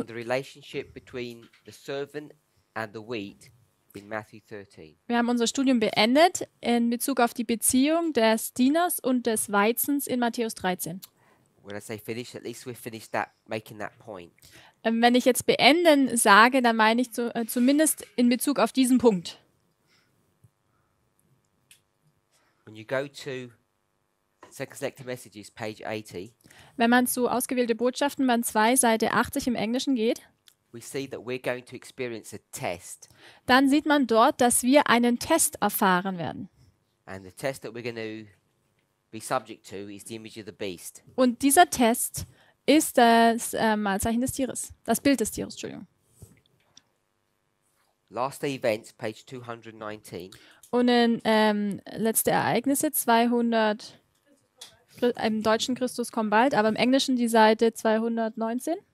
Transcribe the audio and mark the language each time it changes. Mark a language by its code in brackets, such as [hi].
[en] on the relationship between the servant and the wheat in Matthew 13. [de] Wir haben unser Studium beendet in Bezug auf die Beziehung des Dieners und des Weizens in Matthäus 13. [en] When I say finish, at least we finished that, making that point. [de] Wenn ich jetzt beenden sage, dann meine ich zumindest in Bezug auf diesen Punkt. [en] When you go to Second Selected Messages, page 80, [de] wenn man zu Ausgewählte Botschaften, Band 2, Seite 80 im Englischen geht, [en] we see that we're going to experience a test. [de] Dann sieht man dort, dass wir einen Test erfahren werden. [en] And the test that we're going to be subject to is the image of the beast. [de] Und dieser Test ist das Malzeichen des Tieres, das Bild des Tieres, Entschuldigung. [en] Last Events, page 219. [de] Und in Letzte Ereignisse, 200, im Deutschen Christus kommt bald, aber im Englischen die Seite 219.